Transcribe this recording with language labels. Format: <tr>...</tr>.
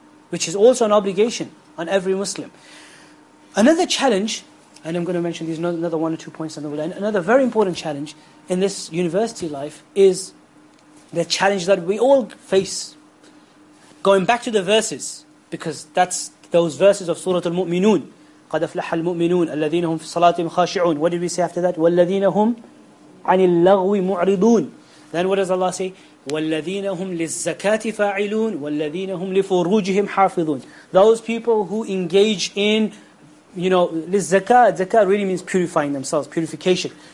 <en>Which is also an obligation on every Muslim. Another challenge, and I'm going to mention these another one or two points on the end. Another very important challenge in this university life is the challenge that we all face, going back to the verses, because that's those verses of Surah Al-Mu'minun.</en> <ar>قَدْ أَفْلَحَ الْمُؤْمِنُونَ الَّذِينَ هُمْ فِي صَلَاتِهِمْ خَاشِعُونَ</ar> <en>What did we say after that?</en> <ar>وَالَّذِينَ هُمْ عَنِ اللَّغْوِ مُعْرِضُونَ</ar> <en>Then what does Allah say?</en> <ar>وَالَّذِينَ هُمْ لِلزَّكَاةِ فَاعِلُونَ وَالَّذِينَ هُمْ لِفُرُوجِهِمْ حَافِظُونَ</ar> <en>Those people who engage in, you know, لِلزَّكَاةِ Zakat really means purifying themselves, purification.</en>